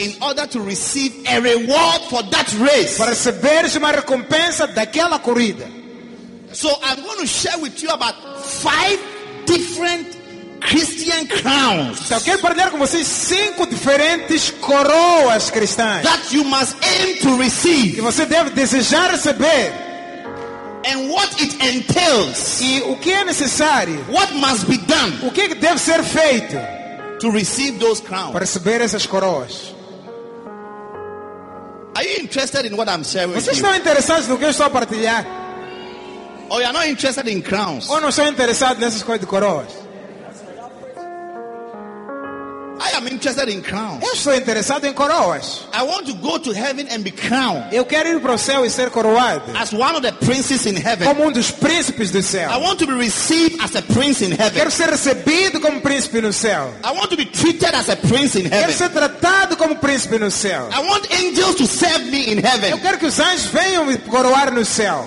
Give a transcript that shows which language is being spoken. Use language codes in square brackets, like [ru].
[en] In order to receive a reward for that race. [pt] Para receber uma recompensa daquela corrida. [en] So I'm going to share with you about five different Christian crowns. [pt] Então, quero partilhar com vocês cinco diferentes coroas cristãs. [en] That you must aim to receive. [pt] Que você deve desejar receber. [en] And what it entails. [pt] E o que é necessário. [en] What must be done. [pt] O que deve ser feito. [en] To receive those crowns. [pt] Para receber essas coroas. [en] Are you interested in what I'm sharing with you? [pt] Vocês estão interessados no que eu estou a partilhar? [en] Or you are not interested in crowns? [pt] Ou não são interessados nessas coisas de coroas? [en] I am interested in crowns. [pt] Eu estou interessado em coroas. [en] I want to go to heaven and be crowned. [pt] Eu quero ir para o céu e ser coroado. [en] As one of the princes in heaven. [pt] Como dos príncipes do céu. [en] I want to be received as a prince in heaven. [pt] Quero ser recebido como príncipe no céu. [en] I want to be treated as a prince in heaven. [pt] Quero ser tratado como príncipe no céu. [en] I want angels to serve me in heaven. [pt] Eu quero que os anjos venham me coroar no céu.